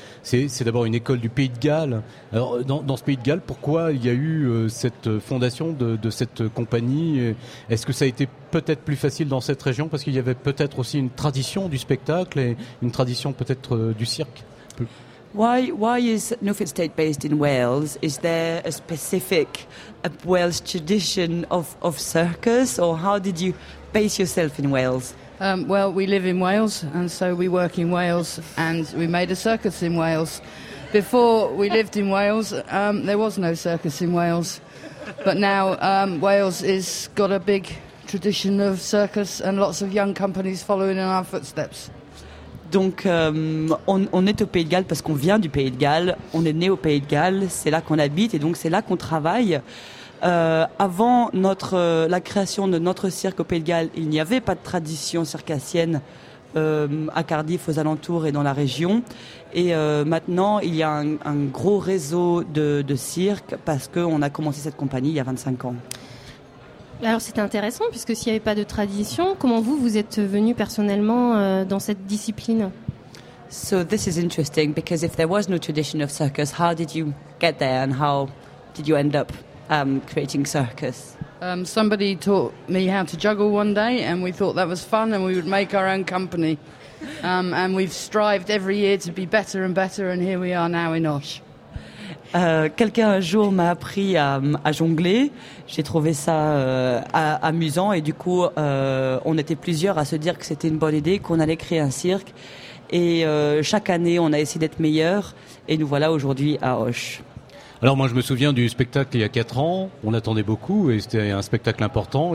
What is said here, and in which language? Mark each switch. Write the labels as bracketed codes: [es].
[fr] C'est d'abord une école du Pays de Galles. Alors, dans ce Pays de Galles, pourquoi il y a eu cette fondation de cette compagnie? Est-ce que ça a été peut-être plus facile dans cette région? Parce qu'il y avait peut-être aussi une tradition du spectacle et une tradition peut-être du cirque. [en] Why is Nofit State based in Wales? Is there a specific Welsh tradition of circus, or how did you base yourself in Wales? Well, we live in Wales, and so we work in Wales, and we made a circus in Wales. Before we lived in Wales, there was no circus in Wales, but now Wales has got a big tradition of circus and lots of young companies following in our footsteps. [fr] Donc, on est au Pays de Galles parce qu'on vient du Pays de Galles. On est né au Pays de Galles. C'est là qu'on habite et donc c'est là qu'on travaille. Avant la création de notre cirque au Pays de Galles, il n'y avait pas de tradition circassienne à Cardiff, aux alentours et dans la région. Et maintenant, il y a un gros réseau de cirques parce qu'on a commencé cette compagnie il y a 25 ans. Alors c'est intéressant, puisque s'il n'y avait pas de tradition, comment vous êtes venu personnellement dans cette discipline? [en] So this is interesting, because if there was no tradition of circus, how did you get there and how did you end up creating circus? Somebody taught me how to juggle one day and we thought that was fun and we would make our own company. And we've strived every year to be better and better and here we are now in Osh. [fr] Quelqu'un un jour m'a appris à jongler. J'ai trouvé ça amusant et du coup, on était plusieurs à se dire que c'était une bonne idée, qu'on allait créer un cirque. Et chaque année, on a essayé d'être meilleurs et nous voilà aujourd'hui à Osh. Alors moi, je me souviens du spectacle il y a 4 ans. On attendait beaucoup et c'était un spectacle important.